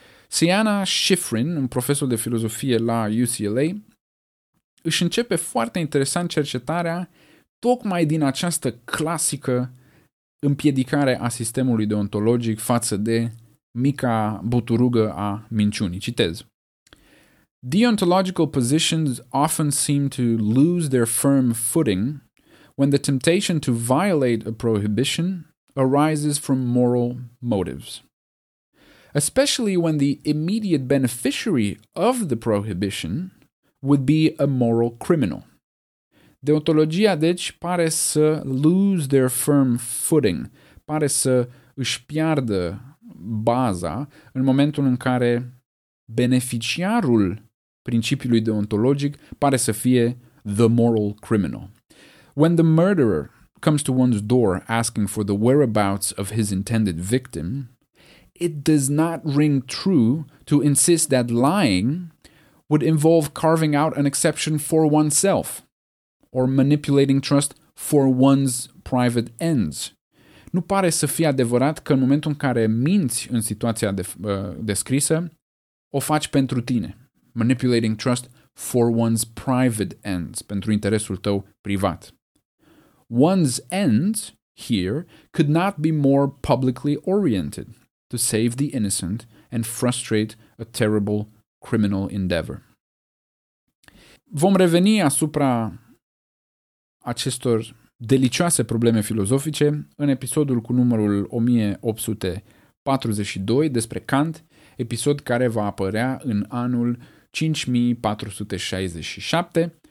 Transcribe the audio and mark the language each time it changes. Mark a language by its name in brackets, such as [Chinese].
[Romanian] Siana Shiffrin, un profesor de filozofie la UCLA, își începe foarte interesant cercetarea tocmai din această clasică împiedicare a sistemului deontologic față de mica buturugă a minciunii. Citez. [English] Deontological positions often seem to lose their firm footing when the temptation to violate a prohibition arises from moral motives. Especially when the immediate beneficiary of the prohibition would be a moral criminal. [Romanian] Deontologia, deci, pare să [English] lose their firm footing, [Romanian] pare să își piardă baza în momentul în care beneficiarul principiului deontologic pare să fie [English] the moral criminal. When the murderer comes to one's door asking for the whereabouts of his intended victim, it does not ring true to insist that lying would involve carving out an exception for oneself or manipulating trust for one's private ends. [Romanian] Nu pare să fie adevărat că în momentul în care minți în situația descrisă, o faci pentru tine. [English] Manipulating trust for one's private ends, [Romanian] pentru interesul tău privat. [English] One's ends here could not be more publicly oriented to save the innocent and frustrate a terrible criminal endeavor. [Romanian] Vom reveni asupra acestor delicioase probleme filozofice în episodul cu numărul 1842 despre Kant, episod care va apărea în anul 5467.